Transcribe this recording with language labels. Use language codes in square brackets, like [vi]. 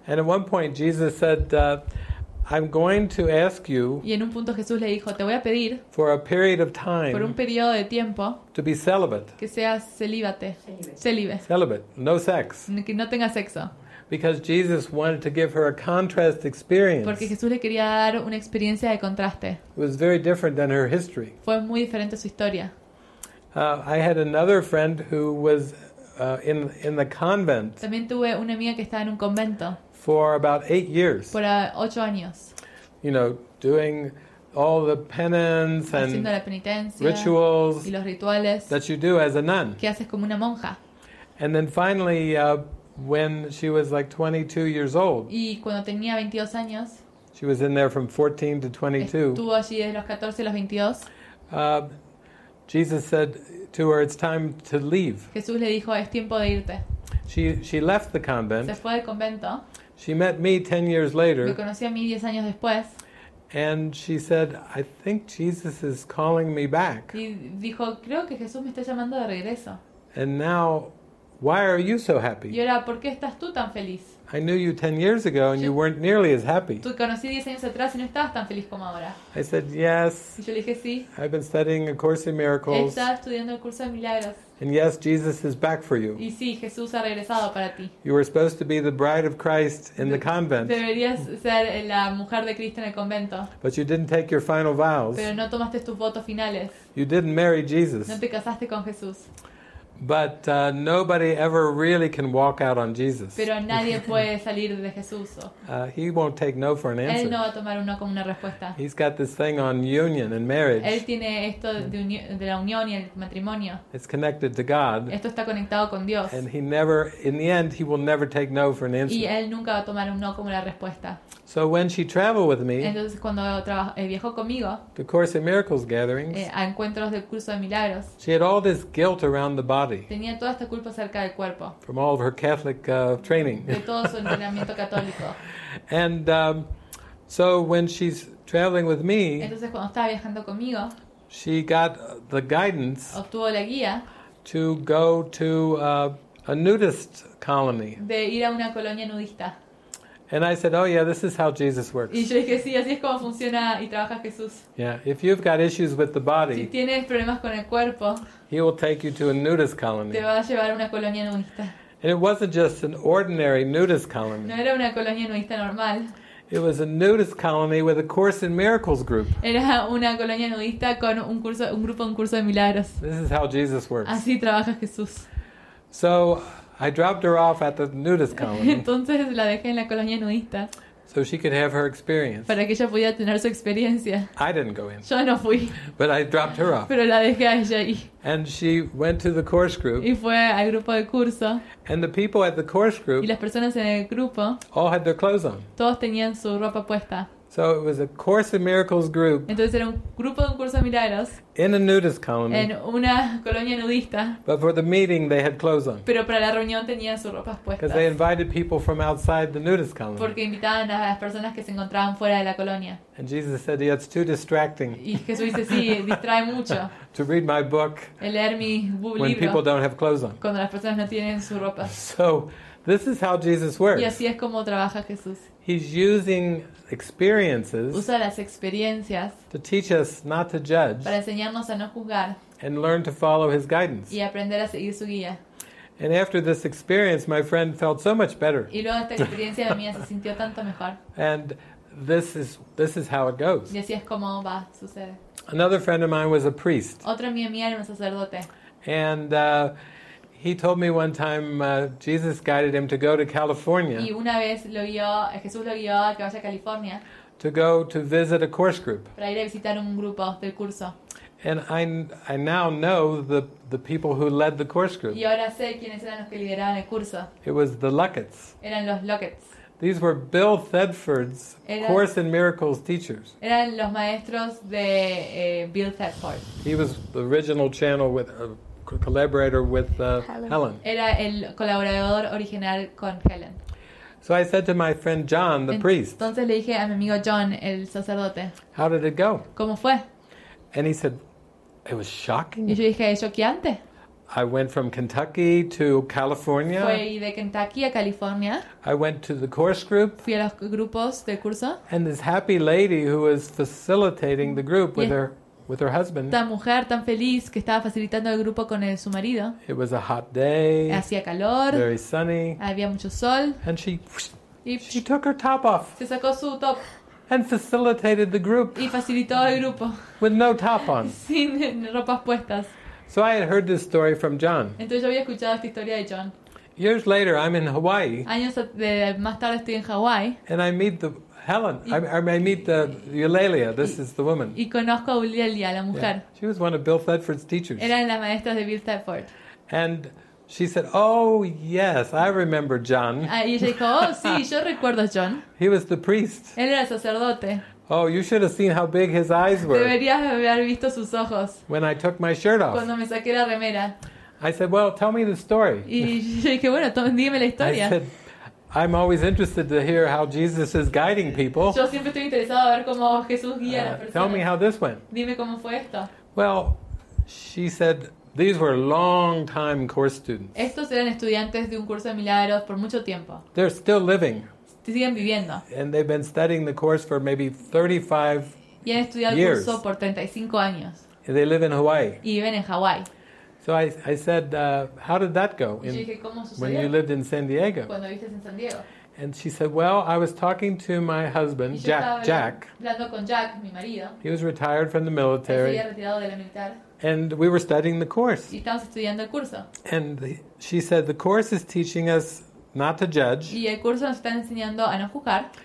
[en] And at one point Jesus said, "I'm going to ask you." [es] Y en un punto Jesús le dijo, "Te voy a pedir." [en] For a period of time. [es] Por un periodo de tiempo. [en] To be celibate. [es] Que seas celibate. Celibe. [en] Celibate. No sex. [es] Que no tengas sexo. [en] Because Jesus wanted to give her a contrast experience. [es] Porque Jesús le quería dar una experiencia de contraste. [en] It was very different than her history. [es] Fue muy diferente su historia. [en] I had another friend who was in the convent. [es] También tuve una amiga que estaba en un convento. [en] For about 8 years. [es] Por 8 años. [en] You know, doing all the penance and [es] haciendo la penitencia, [en] rituals [es] y los rituales [en] that you do as a nun. [es] Que haces como una monja. [en] And then finally, when she was like 22 years old. [es] Y cuando tenía 22 años. [en] She was in there from 14 to 22. [es] Estuvo allí desde los 14 a los 22. [en] Jesus said to her, "It's time to leave." [es] Jesús le dijo, "Es tiempo de irte." [en] She left the convent. [es] Se fue del convento. [en] She met me 10 years later. [es] Me conocí a mí 10 años después. [en] And she said, "I think Jesus is calling me back." [es] Y dijo, "Creo que Jesús me está llamando de regreso." [en] And now, why are you so happy? [es] Y ahora, ¿por qué estás tú tan feliz? [en] I knew you 10 years ago and you weren't nearly as happy. [es] Te conocí 10 años atrás y no estabas tan feliz como ahora. [en] I said, "Yes." [es] Y yo le dije, sí. [en] I've been studying A Course in Miracles. [es] Estaba estudiando el curso de milagros. [en] And yes, Jesus is back for you. [es] Y sí, Jesús ha regresado para ti. [en] You were supposed to be the bride of Christ in the convent. [es] Deberías ser la mujer de Cristo en el convento. [en] But you didn't take your final vows. [es] Pero no tomaste tus votos finales. [en] You didn't marry Jesus. [es] No te casaste con Jesús. [en] But nobody ever really can walk out on Jesus. [es] Pero nadie puede salir de Jesús. [en] He won't take no for an answer. [es] Él no va a tomar un no como una respuesta. [en] He's got this thing on union and marriage. [es] Él tiene esto de la unión y el matrimonio. [en] It's connected to God. [es] Esto está conectado con Dios. [en] And he never, in the end, he will never take no for an answer. [es] Y él nunca va a tomar un no como la respuesta. [en] So when she traveled with me, [es] entonces cuando viajó conmigo, [en] the Course in Miracles gatherings, [es] a encuentros del curso de milagros, [en] she had all this guilt around the body. [es] Tenía toda esta culpa acerca del cuerpo. [en] From all of her Catholic training. [es] De todo su entrenamiento católico. [en] And so when she's traveling with me, [es] entonces cuando estaba viajando conmigo, [en] she got the guidance, [es] obtuvo la guía, [en] to go to a nudist colony. [es] De ir a una colonia nudista. [en] And I said, "Oh yeah, this is how Jesus works." [es] Y yo dije, sí, así es como funciona y trabaja Jesús. [en] Yeah, if you've got issues with the body, [es] si tienes problemas con el cuerpo, [en] he will take you to a nudist colony. [es] Te va a llevar a una colonia nudista. [en] And it wasn't just an ordinary nudist colony. [es] No era una colonia nudista normal. [en] It was a nudist colony with a Course in Miracles group. [es] Era una colonia nudista con un grupo de milagros. [en] This is how Jesus works. [es] Así trabaja Jesús. [en] So I dropped her off at the nudist colony. [es] Entonces la dejé en la colonia nudista. [en] So she could have her experience. [es] Para que ella pudiera tener su experiencia. [en] I didn't go in. [es] Yo no fui. [en] But I dropped her off. [es] Pero la dejé a ella ahí. [en] And she went to the course group. [es] Y fue al grupo de curso. [en] And the people at the course group. [es] Y las personas en el grupo. [en] All had their clothes on. [es] Todos tenían su ropa puesta. [en] So it was a Course in Miracles group. [es] Entonces era un grupo de un curso de milagros. [en] In a nudist colony. [es] En una colonia nudista. [en] But for the meeting they had clothes on. [es] Pero para la reunión tenían sus ropas puestas. [en] Because they invited people from outside the nudist colony. [es] Porque invitaban a las personas que se encontraban fuera de la colonia. [en] And Jesus said, "Yeah, it's too distracting." [es] Y Jesús dice, sí, distrae mucho. [en] To read my book. [es] El leer mi libro. [en] When people don't have clothes on. [es] Cuando las personas no tienen su ropa. [en] So this is how Jesus works. [es] Y así es como trabaja Jesús. [en] He's using experiences. [es] Usa las experiencias. [en] To teach us not to judge. [es] Para enseñarnos a no juzgar. [en] And learn to follow his guidance. [es] Y aprender a seguir su guía. [en] And after this experience, my friend felt so much better. [es] Y luego esta experiencia de mí se sintió tanto mejor. [en] And this is how it goes. [es] Y así es como va, sucede. [en] Another friend of mine was a priest. [es] Otra amiga mía era un sacerdote. [en] And he told me one time Jesus guided him to go to California. [es] Y una vez lo guió, Jesús lo guió a que vaya a California. [en] To go to visit a course group. [es] Para ir a visitar un grupo del curso. [en] And I now know the people who led the course group. [es] Y ahora sé quiénes eran los que lideraban el curso. [en] It was the Luckets. [es] Eran los Luckets. [en] These were Bill Thedford's Course in Miracles teachers. [es] Eran los maestros de Bill Thedford. [en] He was the original channel with collaborator with Helen. [es] Era el colaborador original con Helen. [en] So I said to my friend John, the priest. [es] Entonces le dije a mi amigo John, el sacerdote. [en] How did it go? [es] ¿Cómo fue? [en] And he said, it was shocking. [es] Y yo dije, es choqueante. [en] I went from Kentucky to California. [es] Fui de Kentucky a California. [en] I went to the course group. [es] Fui a los grupos del curso. [en] And this happy lady who was facilitating the group with her husband. [es] Esta mujer tan feliz que estaba facilitando el grupo con su marido. [en] It was a hot day. [es] Hacía calor. [en] Very sunny. [es] Había mucho sol. [en] And she took her top off. [es] Se sacó su top. [en] And facilitated the group. [es] Y facilitó el grupo. [en] With no top on. [es] Sin ropas puestas. [en] So I had heard this story from John. [es] Entonces yo había escuchado esta historia de John. [en] Years later, I'm in Hawaii. [es] Años más tarde estoy en Hawaii. [en] And I meet the Helen, I meet the Eulalia. This is the woman. [es] Y conozco a Eulalia, la mujer. Yeah. [en] She was one of Bill Thedford's teachers. [es] Era la maestra de Bill Thedford. [en] And she said, "Oh yes, I remember John." [es] Y ella dijo, "Oh sí, yo recuerdo a John." [en] He was the priest. [es] Él era sacerdote. [en] Oh, you should have seen how big his eyes were. [es] Deberías haber visto sus ojos. [en] When I took my shirt off. [es] Cuando me saqué la remera. [en] I said, "Well, tell me the story." [es] Y yo dije, "Bueno, dime la historia." [en] I said, I'm always interested to hear how Jesus is guiding people. [es] Yo siempre estoy interesado a ver cómo Jesús guía a las personas. [en] Tell me how this went. [es] Dime cómo fue esto. [en] Well, she said these were long time course students. [es] Estos eran estudiantes de un curso de milagros por mucho tiempo. [en] They're still living. [es] Siguen viviendo. [en] And they've been studying the course for maybe 35 [es] y han estudiado [en] years. [es] El curso por 35 años. [en] And they live in Hawaii. [es] Y viven en Hawaii. [en] So I said, how did that go [es] in, dije, [en] when you lived in San Diego? [es] Cuando viviste en San Diego? [en] And she said, well, I was talking to my husband, Jack. [es] Hablando, Jack, mi marido. [en] He was retired from the military. [es] Él se había retirado de la militar. [en] And we were studying the course. [es] Y estábamos estudiando el curso. [en] And she said, the course is teaching us not to judge. [es] Y el curso nos está enseñando a no juzgar.